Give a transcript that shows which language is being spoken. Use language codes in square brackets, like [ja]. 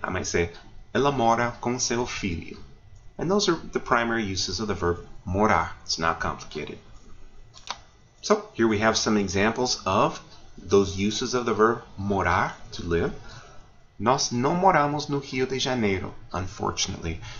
[en] I might say, [pt] ela mora com seu filho. [en] And those are the primary uses of the verb morar. It's not complicated. So, here we have some examples of those uses of the verb morar, to live. [pt] Nós não moramos no Rio de Janeiro, [en] unfortunately.